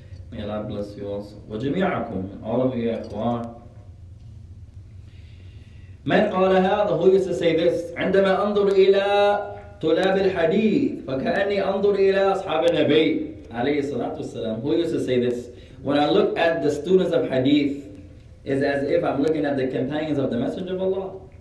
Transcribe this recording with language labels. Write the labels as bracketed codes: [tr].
[en] May Allah bless you also. [ar] وجميعكم, [en] all of you, إخوان. [ar] من قالها, [en] the who used to say this, [ar] عندما أنظر إلى طلاب الحديث فكأني أنظر إلى أصحاب النبي عليه الصلاة والسلام. [en] Who used to say this? When I look at the students of Hadith, it's as if I'm looking at the companions of the Messenger of Allah.